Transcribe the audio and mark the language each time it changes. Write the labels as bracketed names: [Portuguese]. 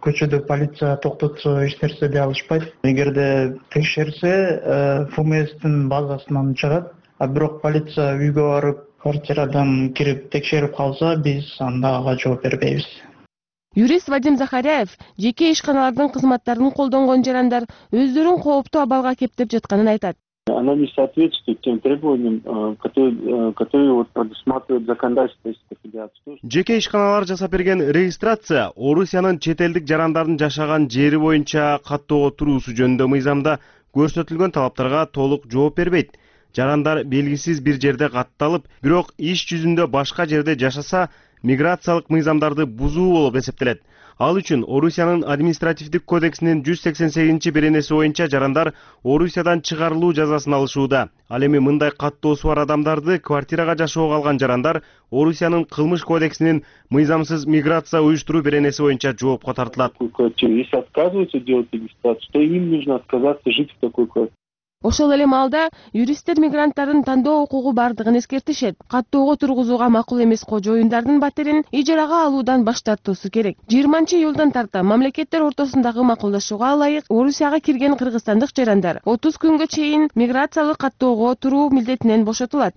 [Kyrgyz] Көчөдө полиция токтотсо, эч нерсе деп алышпайт. Эгерде текшерсе, ФМС'тин базасынан чыгат. Бирок полиция үйгө барып, квартирадан кирип текшерип калса, биз анда ага жооп бербейбиз. Юрист Вадим Захаряев жеке ишканалардын кызматтарын колдонгон жарандар өздөрүн кооптуу абалга кептеп жатканын айтат. [Russian] Она не соответствует тем требованиям, которые предусматривают законодательство Российской Федерации. [Kyrgyz] Жеке ишканалар жасап берген регистрация Орусиянын чет элдик жарандардын жашаган жери боюнча каттоого туруусу жөнүндө мыйзамда көрсөтүлгөн талаптарга толук жооп бербейт. Жарандар белгисиз бир жерде катталып, бирок иш жүзүндө башка жерде жашаса, миграциялык мыйзамдарды бузуу болуп эсептелет. Ал үчүн Орусиянын административдик кодексинин 188 беренеси боюнча жарандар Орусиядан чыгарылуу жазасын алышууда. Ал эми мындай каттоосу бар адамдарды квартирага жашоого алган жарандар Орусиянын кылмыш кодексинин мыйзамсыз миграция уюштуруу беренеси боюнча жоопко тартылат. [Russian] Если отказываются делать регистрацию, то им нужно отказаться жить в такой квартире. [Kyrgyz] Ошол эле маалда юристтер мигранттардын тандоо укугу бардыгын эскертишет. Каттоого тургузууга макул эмес кожоюндардын батерин ижарага алуудан баш тартуусу керек. 20-июлдан тарта мамлекеттер ортосундагы макулдашууга ылайык Орусияга кирген кыргызстандык жарандар 30 күнгө чейин миграциялык каттоого туруу милдетинен бошотулат.